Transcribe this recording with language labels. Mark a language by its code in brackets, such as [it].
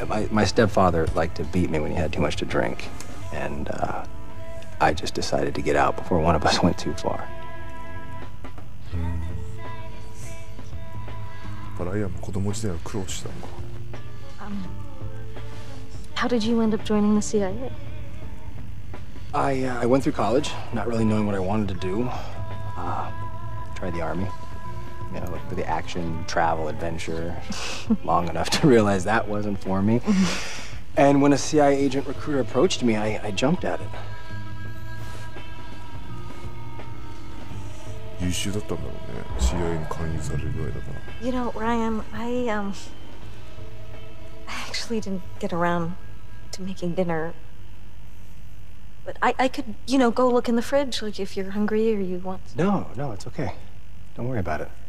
[en] My stepfather liked to beat me when he had too much to drink. And I just decided to get out before one of us went too far. [ja] ライアンも子供時代は苦労したのか。 [en] How did you end up joining the CIA? I went through college, not really knowing what I wanted to do. Tried the army. You know, looked for the action, travel, adventure. Long enough to realize that wasn't for me. And when a CIA agent recruiter approached me, I jumped at it. [ja] 優秀だったんだろうね。CIA に勧誘されるぐらいだから。 [en] You know, Ryan, I actually didn't get around to making dinner. But I could, you know, go look in the fridge, like if you're hungry or you want. No, it's okay. Don't worry about it.